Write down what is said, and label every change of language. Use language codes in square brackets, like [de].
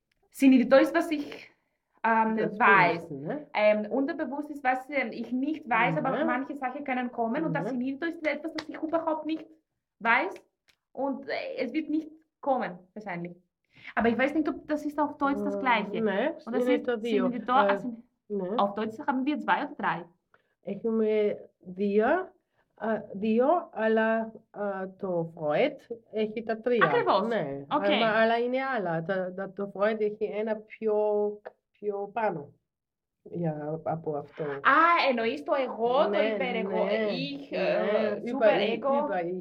[de] Συνειδητό ist, was ich weiß. Unterbewusst ist, was ich nicht weiß, aber manche Sachen können kommen. Und das Synidito ist etwas, was ich überhaupt nicht weiß. Und es wird nicht kommen, wahrscheinlich. Aber ich weiß nicht, ob das ist auf Deutsch das Gleiche. Nein, Synidito. Auf Deutsch haben wir 2 oder 3? Ich habe 2. [el] Δύο, αλλά το Freud έχει τα 3. Ακριβώς. Ναι. Okay. Αλλά είναι άλλα. Το Freud έχει ένα πιο πάνω από αυτό. Α, εννοείς το εγώ, ναι, το υπερεγώ. Ναι, ich, ναι, super ego.